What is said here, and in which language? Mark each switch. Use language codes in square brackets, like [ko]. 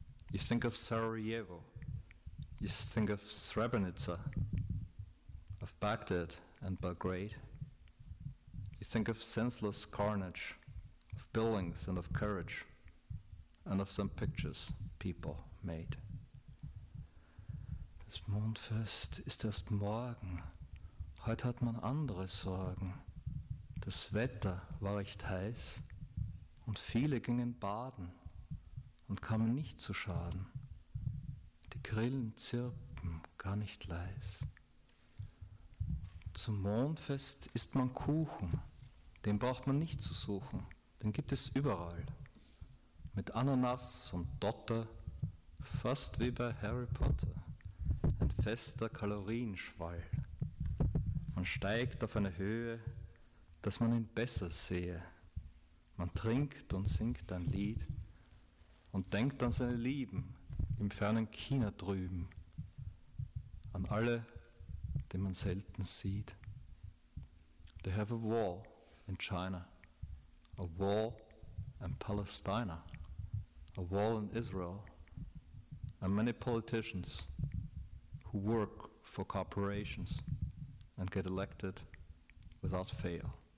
[en] You think of Sarajevo, you think of Srebrenica, of Baghdad and Belgrade. Think of senseless carnage, of buildings and of courage, and of some pictures people made. [de] Das Mondfest ist erst morgen, heute hat man andere Sorgen. Das Wetter war recht heiß, und viele gingen baden und kamen nicht zu Schaden. Die Grillen zirpen gar nicht leis. Zum Mondfest isst man Kuchen. Den braucht man nicht zu suchen, den gibt es überall. Mit Ananas und Dotter, fast wie bei Harry Potter, ein fester Kalorienschwall. Man steigt auf eine Höhe, dass man ihn besser sehe. Man trinkt und singt ein Lied und denkt an seine Lieben im fernen China drüben, an alle, die man selten sieht. [en] They have a wall. In China, a wall in Palestina, a wall in Israel, and many politicians who work for corporations and get elected without fail.